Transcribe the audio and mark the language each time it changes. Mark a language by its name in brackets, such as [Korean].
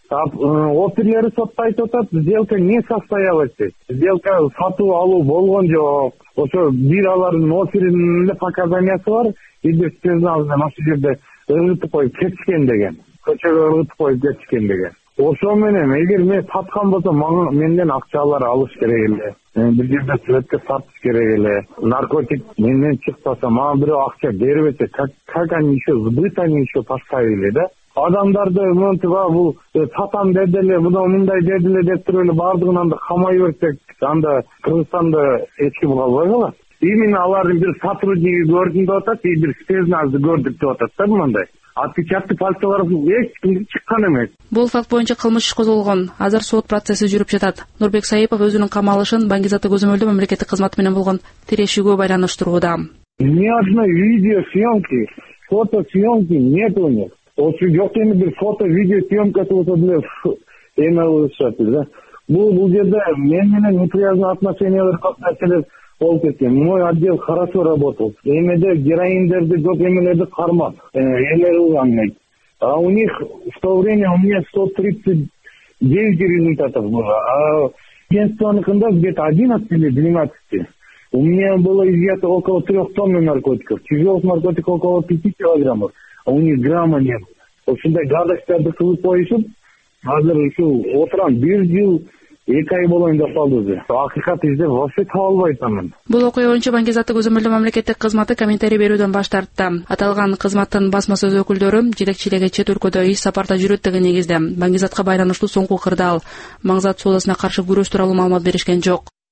[Kyrgyz] Ап, оперлери сотто айтып атат, [Russian] сделка не состоялась [Kyrgyz] деп. Сделка сатып алуу болгон жок. Ошо бир алардын оперинде показаниясы бар, бирде сигналда ошо жерде ыргытып коюп кетишкен деген. Көчөгө ыргытып коюп кетишкен деген. Ошол менен эгер мен саткан болсом, мага менден акчалар алыш керек эле. Бир жерде сүрөткө тартыш керек эле. Наркотик менден чыкпаса, мага бирөө акча бербесе, [Russian] как они еще сбыт они еще поставили, да? [Kyrgyz] Адамдарды мынтип бул сатам деди эле, муну мындай деди эле деп туруп эле баардыгын анда камай берсек, анда Кыргызстанда эч ким калбай калат. Именно алардын бир сотрудниги көрдүм деп атат, бир спецназды көрдүк деп атат да мындай. [Russian] Отпечатки пальцевар [Kyrgyz] эч ким чыккан эмес. Бул факт боюнча кылмыш иши козголгон. Азыр сот процесси жүрүп жатат. Нурбек Саипов өзүнүн камалышын Баңгизаты көзөмөлдө мамлекеттик кызмат менен болгон тирешүүгө байланыштырууда. [Russian] Ни одной видео съемки, фото съемки нет у них. [Kyrgyz] Ошо жок эми бир фото видео съемкасы болсо деле эми алышат да. Бул жерде мен менен неприязнь отношениялар көп нерселер болуп кеткен. [Russian] Мой отдел хорошо работал. [Kyrgyz] Эмеде героиндерди жок эмелерди кармап эмелер улганмайт. [Russian] А у них в то время у меня 139 результатов было. А агентствоныкында где-то 11 или 12. У меня было изъято около 3 тонны наркотиков. Тяжелых наркотиков около 5 килограммов. А у них грамма не было. [Kyrgyz] Ошондой гадаштарды кылып коюшуп, азыр ушул отурам бир жыл эки ай болоюн деп калды уже. Акыйкат издеп вообще таба албайт анан. Бул окуя боюнча Баңгизаты көзөмөлдө мамлекеттик кызматы комментарий берүүдөн баш тартты. Аталган кызматтын басма сөз өкүлдөрү жетекчилиги чет өлкөдө иш сапарда жүрөттүгүн негизде Баңгизатка байланыштуу соңку кырдаал Маңзат соодасына каршы күрөш тууралуу маалымат беришкен жок.